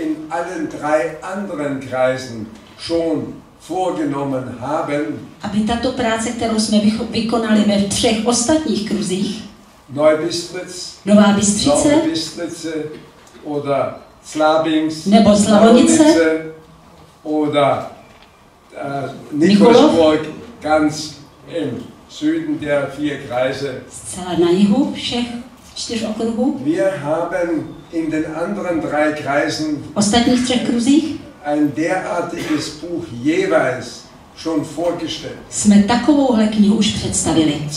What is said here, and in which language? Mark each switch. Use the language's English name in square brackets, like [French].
[German] in allen drei anderen Kreisen schon vorgenommen haben, [Czech] aby tato práce, kterou jsme vykonali ve třech ostatních kruzích, [German] Neubistritz, [Czech] Nová Bystřice, [German] Neubistritze oder Slabings, [Czech] nebo Slavonice, [German] oder Nikolsburg, ganz im Süden der vier Kreise. [Czech] Zcela na jihu všech 4 okruhů. [German] Wir haben in den anderen drei Kreisen [Czech] ostatních třech kruzích [German] ein derartiges Buch jeweils schon vorgestellt. [Czech] Jsme takovouhle knihu už představili.